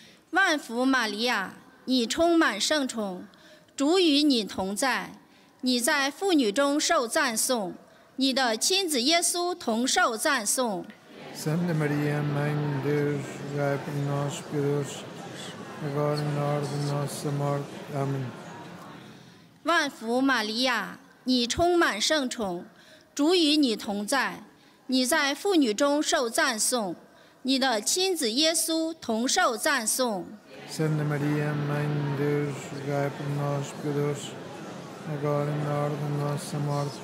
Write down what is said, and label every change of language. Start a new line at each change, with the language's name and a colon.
Chinese: 万福玛利亚，你充满圣宠，主与你同在，你在妇女中受赞颂，你的亲子耶稣同受赞颂。
Portuguese: Santa Maria, Mãe de Deus, rogai por nós, pecadores, agora e na hora da nossa morte. Amém.
Chinese: 万福玛利亚，你充满圣宠，主与你同在，你在妇女中受赞颂，你的亲子耶稣同受赞颂。
Portuguese: Santa Maria, Mãe de Deus, rogai por nós, pecadores, agora e na hora da nossa morte.